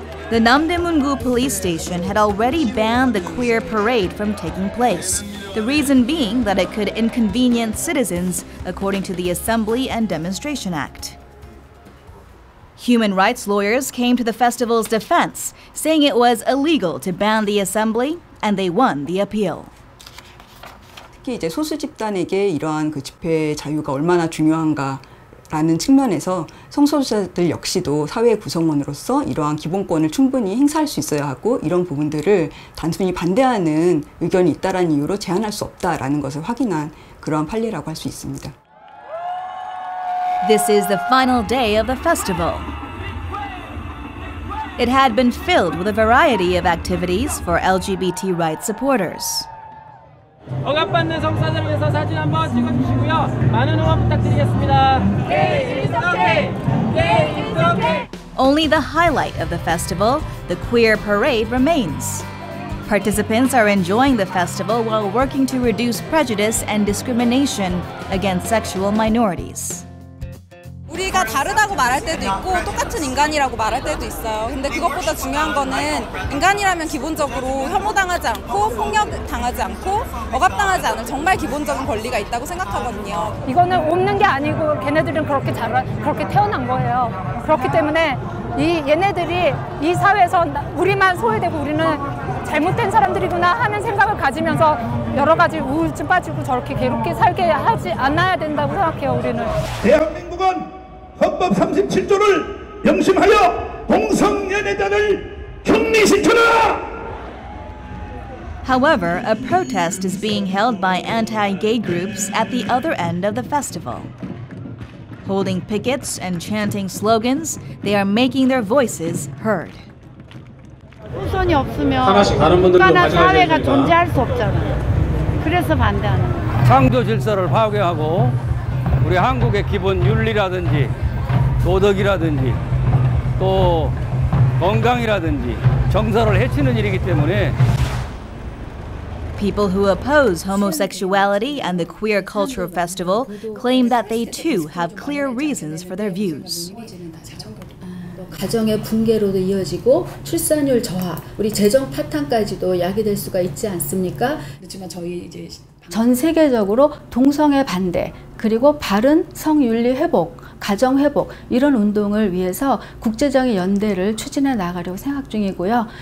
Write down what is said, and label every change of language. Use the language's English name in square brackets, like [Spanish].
[English] The Namdaemun-gu police station had already banned the queer parade from taking place, the reason being that it could inconvenience citizens according to the Assembly and Demonstration Act. Human rights lawyers came to the festival's defense, saying it was illegal to ban the assembly, and they won the appeal. [Korean] 특히 이제 소수 집단에게 이러한 그 집회 자유가 얼마나 중요한가라는 측면에서 성소수자들 역시도 사회 구성원으로서 이러한 기본권을 충분히 행사할 수 있어야 하고 이런 부분들을 단순히 반대하는 의견이 있다라는 이유로 제한할 수 없다라는 것을 확인한 그러한 판례라고 할 수 있습니다. [English] This is the final day of the festival. It had been filled with a variety of activities for LGBT rights supporters. [Korean] 억압받는 성사자를 위해서 사진 한번 찍어주시고요. 많은 응원 부탁드리겠습니다. [English] Gay is okay. Gay is okay. Only the highlight of the festival, the queer parade, remains. Participants are enjoying the festival while working to reduce prejudice and discrimination against sexual minorities. [Korean] 우리가 다르다고 말할 때도 있고 똑같은 인간이라고 말할 때도 있어요. 근데 그것보다 중요한 거는 인간이라면 기본적으로 혐오당하지 않고 폭력당하지 않고 억압당하지 않을 정말 기본적인 권리가 있다고 생각하거든요. 이거는 없는 게 아니고 걔네들은 그렇게 자라 그렇게 태어난 거예요. 그렇기 때문에 이 얘네들이 이 사회에서 우리만 소외되고 우리는 잘못된 사람들이구나 하는 생각을 가지면서 여러 가지 우울증 빠지고 저렇게 괴롭게 살게 하지 않아야 된다고 생각해요, 우리는. 대한민국은 헌법 37조를 명심하여 동성애자를 격리시켜라! [English] However, a protest is being held by anti-gay groups at the other end of the festival. Holding pickets and chanting slogans, they are making their voices heard. [Korean] 후손이 없으면 국가나 사회가 존재할 수 없잖아요. 그래서 반대하는 거예요. 창조 질서를 파괴하고 우리 한국의 기본 윤리라든지 도덕이라든지 또 건강이라든지 정서를 해치는 일이기 때문에 [English] People who oppose homosexuality and the queer culture festival claim that they too have clear reasons for their views. [Korean] 가정의 붕괴로도 이어지고 출산율 저하, 우리 재정 파탄까지도 야기될 수가 있지 않습니까? 그렇지만 저희 이제 전 세계적으로 동성애 반대 그리고 바른 성윤리 회복, 가정 회복 이런 운동을 위해서 국제적인 연대를 추진해 나가려고 생각 중이고요.